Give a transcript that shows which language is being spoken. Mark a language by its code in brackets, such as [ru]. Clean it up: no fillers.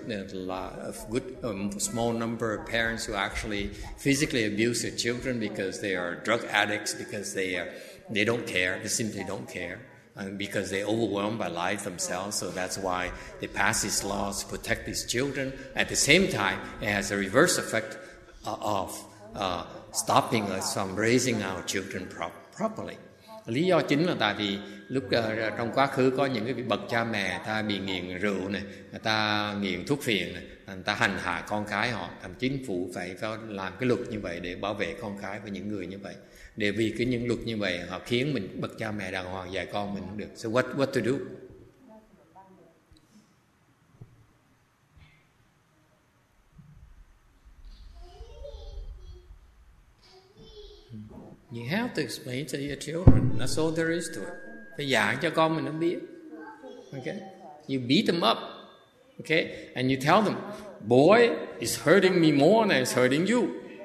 [en] There's a lot of small number of parents who actually physically abuse their children because they are drug addicts, because they are... They don't care. They simply don't care because they're overwhelmed by life themselves. So that's why they pass these laws to protect these children. At the same time, it has a reverse effect of stopping us from raising our children properly. [vi] Lý do chính là tại vì lúc trong quá khứ có những cái bậc cha mẹ ta bị nghiện rượu này, người ta nghiện thuốc phiện này, người ta hành hạ con cái họ. Thành chính phủ phải làm cái luật như vậy để bảo vệ con cái và những người như vậy. Để vì cái những luật như vậy họ khiến mình bậc cha mẹ đàng hoàng dạy con mình được. So what to do? [en] You have to explain to your children. That's all there is to it. Phải giảng cho con mình nó biết. Okay. You beat them up. Okay. And you tell them, boy, it's hurting me more than it's hurting you.